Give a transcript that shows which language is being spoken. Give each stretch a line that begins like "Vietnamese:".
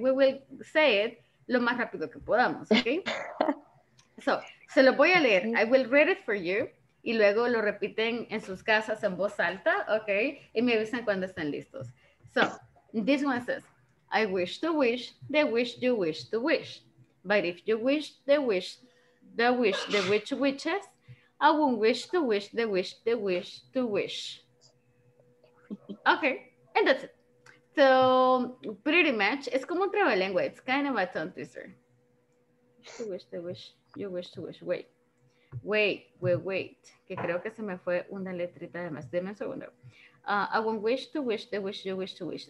English: We will say it
Spanish: lo más rápido que podamos, okay? So, se lo voy a leer.
English: I will read it for you.
Spanish: Y luego lo repiten en sus casas en voz alta, okay? Y me avisan cuando estén listos.
English: So, this one says, I wish to wish the wish you wish to wish. But if you wish the wish, the wish the witch wishes, I won't wish to wish the wish the wish to wish. Okay, and that's it. So, pretty much, it's
Spanish: como un trabalengua.
English: It's kind of a tongue twister. To wish the wish, you wish to wish. Wait, wait, wait, wait.
Spanish: Que creo que se me fue una letrita de más. Deme un segundo.
English: I won't wish to wish the wish you wish to wish.